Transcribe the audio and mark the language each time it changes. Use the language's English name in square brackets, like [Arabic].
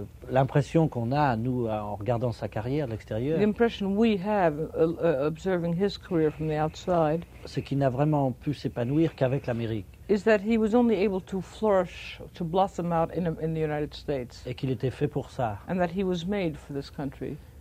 [French] L'impression qu'on a, nous, en regardant sa carrière de l'extérieur, [English] the impression we have, observing his career from the outside, [French] c'est qu'il n'a vraiment pu s'épanouir qu'avec l'Amérique. [English] Is that he was only able to flourish, to blossom out in the United States. [French] Et qu'il était fait pour ça. [English] And that he was made for this country.